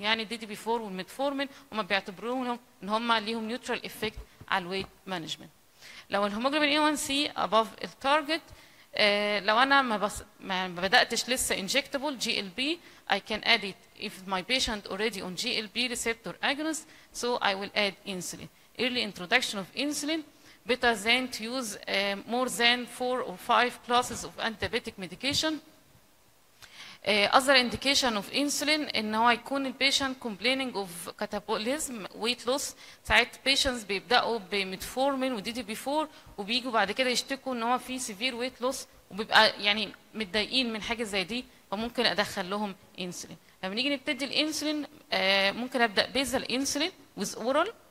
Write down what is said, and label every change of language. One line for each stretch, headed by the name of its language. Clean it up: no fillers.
Arabic: يعني الدي دي بي 4 والميتفورمين هم بيعتبروهم ان هم ليهم نيوترال افكت على الويت مانجمنت.
English: لو الهيموجلوبين A 1 C above التارجت
Arabic: لو انا ما بداتش لسه
English: Injectable G L P I can add it if my patient already on G L P receptor agonist so I will add insulin. Early introduction of insulin, better than to use more than 4 or 5 classes of antidiabetic medication. Other indication of insulin, and now I call the patient complaining of catabolism, weight loss.
Arabic: Side patients بيبدأوا بمتفورمين وديدي بيفور وبيجوا بعد كده يشتكوا ان هو في
English: severe weight loss
Arabic: وبيبقى يعني متضايقين من حاجة زي دي فممكن ادخل لهم insulin. لما نيجي نبتدي الانسولين ممكن ابدأ
English: basal insulin with oral.